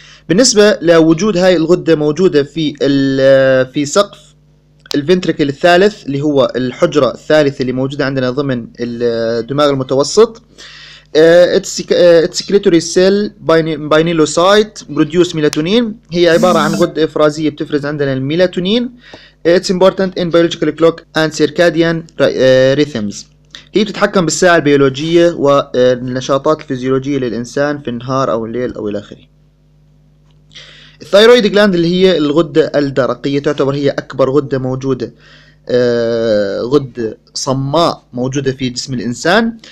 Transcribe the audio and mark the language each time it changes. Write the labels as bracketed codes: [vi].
[ar] بالنسبة لوجود هاي الغدة موجودة في سقف الفينتريكل الثالث، اللي هو الحجرة الثالثة اللي موجودة عندنا ضمن الدماغ المتوسط. [en] السكريتوري cell pinealocyte produce melatonin, [ar] هي عبارة عن غدة إفرازية بتفرز عندنا الميلاتونين. [en] It's important in biological clock and circadian rhythms. [ar] هي بتتحكم بالساعة البيولوجية والنشاطات الفيزيولوجية للإنسان في النهار أو الليل أو إلى آخره. الثايرويد جلاند اللي هي الغدة الدرقية، تعتبر هي أكبر غدة موجودة، غدة صماء موجودة في جسم الإنسان.